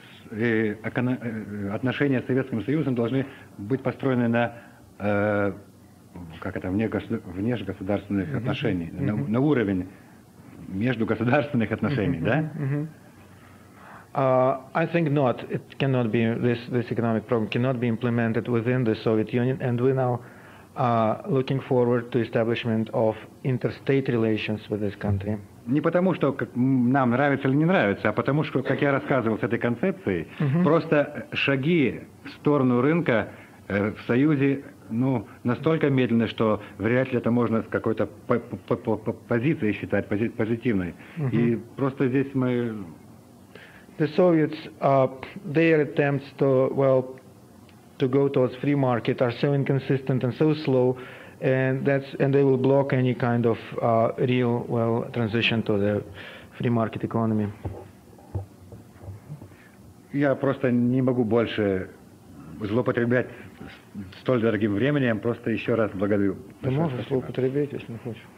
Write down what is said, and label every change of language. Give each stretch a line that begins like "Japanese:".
Russian: Отношения с Советским Союзом должны быть построены на внежгосударственных отношениях, на уровень междугосударственных отношений, да?
English: I think not. It cannot be, this economic program cannot be implemented within the Soviet Union, and we now looking forward to establishment of interstate relations with this country.
Russian: Не потому, что нам нравится или не нравится, а потому, что, как я рассказывал с этой концепцией, просто шаги в сторону рынка в Союзе настолько медленны, что вряд ли это можно с какой-то позицией считать позитивной. И просто здесь мы...
English: The Soviets, their attempts to go towards free market are so inconsistent and so slow, and they will block any kind of real transition to the free market economy.
Russian: Я просто не могу больше злоупотреблять столь дорогим временем. Просто еще раз благодарю. Ты можешь злоупотреблять, если не хочешь.